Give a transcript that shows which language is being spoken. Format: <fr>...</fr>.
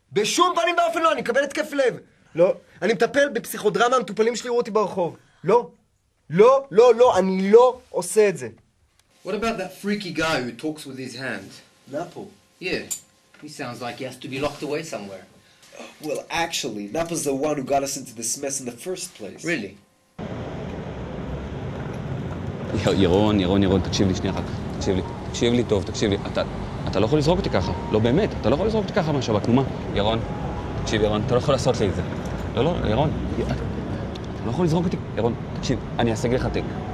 <he>בשום פנים באופן לא, אני אקבל התקף לב. לא. אני מטפל בפסיכודרמה, המטופלים שלי ראו אותי ברחוב. לא. לא, לא, לא, אני לא עושה את זה.</he> <en>What about that freaky guy who talks with his hand? Napo? Yeah, he sounds like he has to be locked away somewhere. Well, actually, Napo's the one who got us into this mess in the first place. Really?</en> <he>ירון, ירון, ירון, תקשיב לי שנייה אחת. תקשיב לי, תקשיב לי טוב, תקשיב לי. אתה לא יכול לזרוק אותי ככה. לא באמת, אתה לא יכול לזרוק אותי ככה מהשבק, נו מה? ירון, תקשיב, ירון, אתה לא יכול לעשות לי את זה. לא, לא, ירון, אתה לא יכול לזרוק אותי. ירון, תקשיב, אני אשיג לך תיק.</he>